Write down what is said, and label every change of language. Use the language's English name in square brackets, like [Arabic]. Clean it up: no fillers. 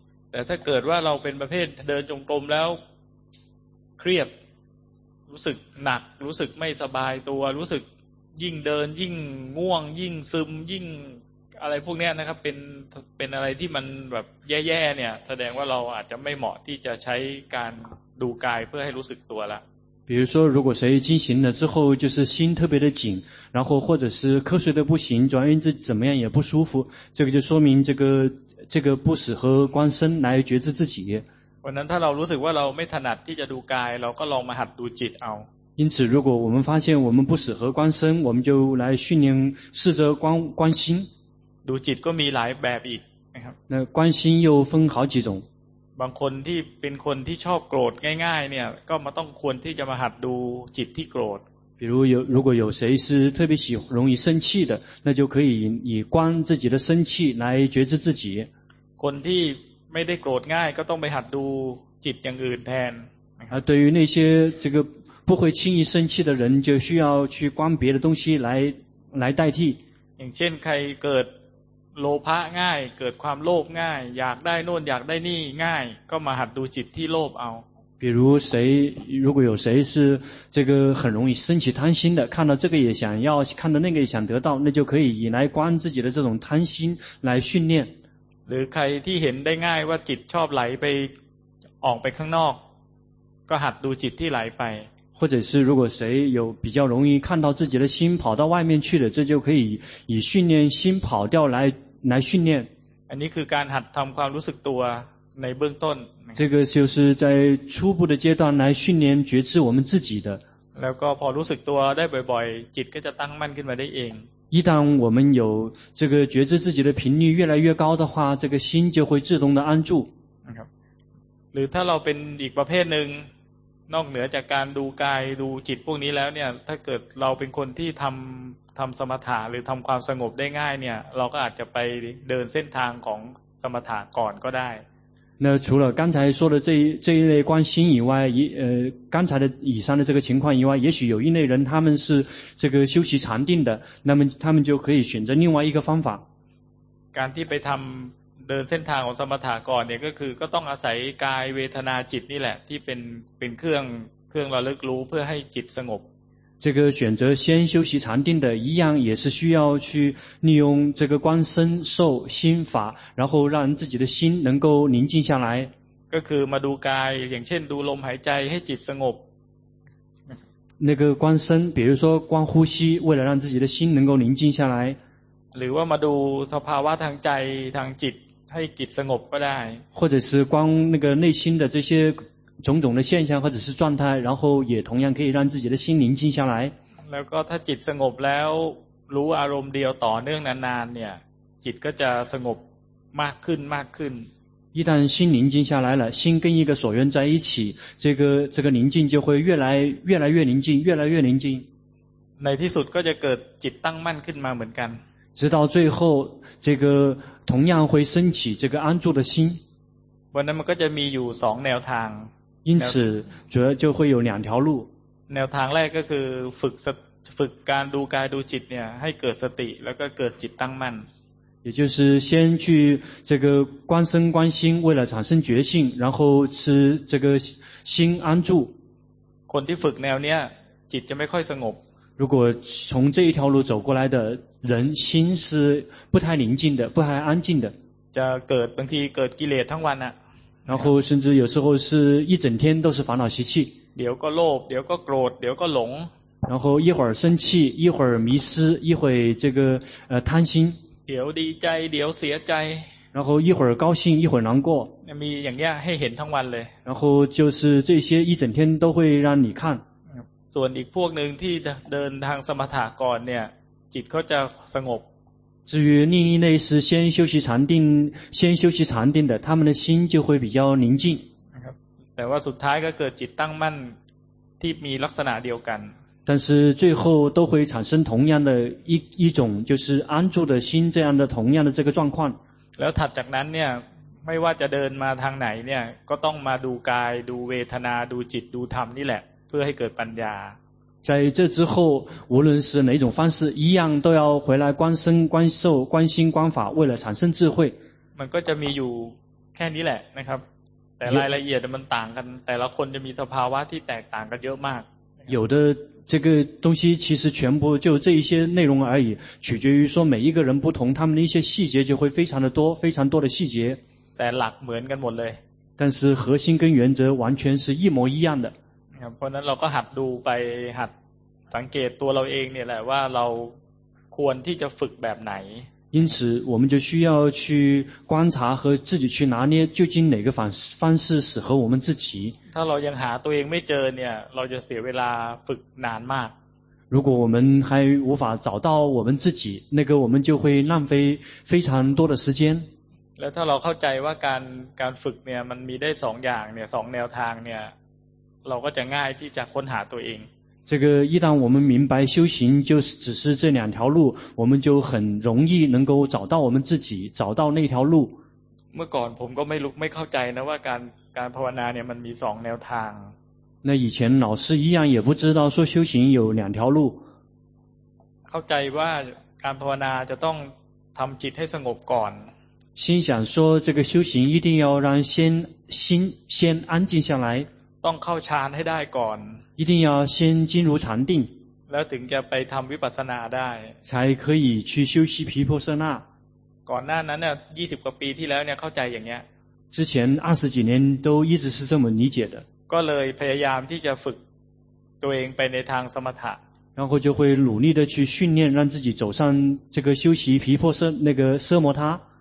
[Thai] แต่ถ้าเกิดว่าเราเป็นประเภทเดินจงกรมแล้วเครียดรู้สึกหนักรู้สึกไม่สบายตัวรู้สึกยิ่งเดินยิ่งง่วงยิ่งซึมยิ่งอะไรพวกนี้นะครับเป็นอะไรที่มันแบบแย่ๆเนี่ยแสดงว่าเราอาจจะไม่เหมาะที่จะใช้การดูกายเพื่อให้รู้สึกตัวละ [Chinese] 比如说如果谁进行了之后就是心特别的紧然后或者是瞌睡的不行转运之怎么样也不舒服这个就说明这个不适合观身来觉知自己 [Thai] วันนั้นถ้าเรารู้สึกว่าเราไม่ถนัดที่จะดูกายเราก็ลองมาหัดดูจิตเอา [Chinese] 因此如果我们发现我们不适合观身我们就来训练试着观心 [Thai] ดูจิตก็มีหลายแบบอีกนะครับ [Chinese] 那观心又分好几种 [Thai] บางคนที่เป็นคนที่ชอบโกรธง่ายๆเนี่ยก็มาต้องควรที่จะมาหัดดูจิตที่โกรธ [Chinese] 比如有如果有谁是特别喜容易生气的那就可以以观自己的生气来觉知自己 [Thai] คนที่ไม่ได้โกรธง่ายก็ต้องไปหัดดูจิตอย่างอื่นแทน [Chinese] อ่า对于那些这个不会轻易生气的人就需要去观别的东西来代替 [Thai] อย่างเช่นใครเกิดโลภะง่ายเกิดความโลภง่ายอยากได้โน่นอยากได้นี่ง่ายก็มาหัดดูจิตที่โลภเอา [Chinese] 比如谁如果有谁是这个很容易生起贪心的看到这个也想要看到那个也想得到那就可以以来观自己的这种贪心来训练 [Thai] หรือใครที่เห็นได้ง่ายว่าจิตชอบไหลไปออกไปข้างนอกก็หัดดูจิตที่ไหลไป [Chinese] 或者是如果谁有比较容易看到自己的心跑到外面去的这就可以以训练心跑掉来训练 [Thai] อันนี้คือการหัดทำความรู้สึกตัวในเบื้องต้น [Chinese] 这个就是在初步的阶段来训练觉知我们自己的 [Thai] แล้วก็พอรู้สึกตัวได้บ่อยๆจิตก็จะตั้งมั่นขึ้นมาได้เอง [Chinese] 一旦我们有这个觉知自己的频率越来越高的话这个心就会自动的安住 [Thai] หรือถ้าเราเป็นอีกประเภทหนึ่งนอกเหนือจากการดูกายดูจิตพวกนี้แล้วเนี่ยถ้าเกิดเราเป็นคนที่ทำสมถะหรือทำความสงบได้ง่ายเนี่ยเราก็อาจจะไปเดินเส้นทางของสมถะก่อนก็ได้ [Chinese] 那除了刚才说的这一类观心以外刚才的以上的这个情况以外也许有一类人他们是这个修习禅定的那么他们就可以选择另外一个方法 [Thai] การที่ไปทำเดินเส้นทางของสมถะก่อนเนี่ยก็คือก็ต้องอาศัยกายเวทนาจิตนี่แหละที่เป็นเครื่องระลึกรู้เพื่อให้จิตสงบ [Chinese] 这个选择先修习禅定的一样也是需要去利用这个观身受心法然后让自己的心能够宁静下来 [Thai] ก็คือมาดูกายอย่างเช่นดูลมหายใจให้จิตสงบ [Chinese] 那个观身比如说观呼吸为了让自己的心能够宁静下来 [Thai] หรือว่ามาดูสภาวะทางใจทางจิตให้จิตสงบก็ได้ [Chinese] 或者是光那个内心的这些种种的现象或者是状态然后也同样可以让自己的心宁静下来 [Thai] แล้วก็ถ้าจิตสงบแล้วรู้อารมณ์เดียวต่อเนื่องนานๆเนี่ยจิตก็จะสงบมากขึ้นมากขึ้น [Chinese] 一旦心宁静下来了心跟一个所缘在一起这个宁静就会越来越宁静越来越宁静 [Thai] ในที่สุดก็จะเกิดจิตตั้งมั่นขึ้นมาเหมือนกัน [Chinese] 直到最后这个同样会升起这个安住的心 [Thai] วันนั้นมันก็จะมีอยู่สองแนวทาง [Chinese] 因此主要就会有两条路 [Thai] แนวทางแรกก็คือฝึกการดูกายดูจิตเนี่ยให้เกิดสติแล้วก็เกิดจิตตั้งมั่น [Chinese] 也就是先去这个观身观心为了产生觉性然后是这个心安住 [Thai] คนที่ฝึกแนวเนี้ยจิตจะไม่ค่อยสงบ [Chinese] 如果从这一条路走过来的人心是不太宁静的不太安静的 [Thai] จะเกิดบางทีเกิดกิเลสทั้งวันอ่ะ [Chinese] 然后甚至有时候是一整天都是烦恼习气，留个落留个落留个龙，然后一会儿生气，一会儿迷失，一会儿这个贪心，留低债留邪债，然后一会儿高兴一会儿难过，那么样样会很通完嘞，然后就是这些一整天都会让你看。 [Thai] ส่วนอีกพวกหนึ่งที่เดินทางสมถะก่อนเนี่ยจิตเขาจะสงบ [Chinese] 至于另一类是先修习禅定，先修习禅定的，他们的心就会比较宁静。 [Thai] แต่ว่าสุดท้ายก็เกิดจิตตั้งมั่นที่มีลักษณะเดียวกัน。 [Chinese] 但是最后都会产生同样的一种，就是安住的心这样的同样的这个状况。 [Thai] แล้วถัดจากนั้นเนี่ยไม่ว่าจะเดินมาทางไหนเนี่ยก็ต้องมาดูกายดูเวทนาดูจิตดูธรรมนี่แหละเพื่อให้เกิดปัญญา。 [Chinese] 在这之后，无论是哪种方式，一样都要回来观身、观受、观心、观法，为了产生智慧。 [Thai] มันก็จะมีอยู่แค่นี้แหละนะครับแต่รายละเอียดมันต่างกันแต่ละคนจะมีสภาวะที่แตกต่างกันเยอะมาก。 [Chinese] 有的这个东西其实全部就这一些内容而已，取决于说每一个人不同，他们的一些细节就会非常的多，非常多的细节。 [Thai] แต่หลักเหมือนกันหมดเลย。 [Chinese] 但是核心跟原则完全是一模一样的。 [Thai] เพราะนั้นเราก็หัดดูไปหัดสังเกตตัวเราเองเนี่ยแหละว่าเราควรที่จะฝึกแบบไหน [Chinese] 因此我们就需要去观察和自己去拿捏究竟哪个方式适合我们自己 [Thai] ถ้าเรายังหาตัวเองไม่เจอเนี่ยเราจะเสียเวลาฝึกนานมาก [Chinese] 如果我们还无法找到我们自己那个我们就会浪费非常多的时间 [Thai] แล้วถ้าเราเข้าใจว่าการฝึกเนี่ยมันมีได้สองอย่างเนี่ยสองแนวทางเนี่ยเราก็จะง่ายที่จะค้นหาตัวเอง [Chinese] 这个一旦我们明白修行就是只是这两条路我们就很容易能够找到我们自己找到那条路 [Thai] เมื่อก่อนผมก็ไม่เข้าใจนะว่าการภาวนาเนี่ยมันมีสองแนวทาง [Chinese] 那以前老师一样也不知道说修行有两条路 [Thai] เข้าใจว่าการภาวนาจะต้องทำจิตให้สงบก่อน [Chinese] 心想说这个修行一定要让心先安静下来 [Thai] ต้องเข้าฌานให้ได้ก่อน [Chinese] 一定要先进入禅定 [Thai] แล้วถึงจะไปทำวิปัสสนาได้ [Chinese] 才可以去修习毗婆舍那 [Thai] ก่อนหน้านั้นเนี่ย20กว่าปีที่แล้วเนี่ยเข้าใจอย่างเงี้ย [Chinese] 之前二十几年都一直是这么理解的 [Thai] ก็เลยพยายามที่จะฝึกตัวเองไปในทางสมถะ [Chinese] 然后就会努力的去训练让自己走上这个修习毗婆舍那个奢摩他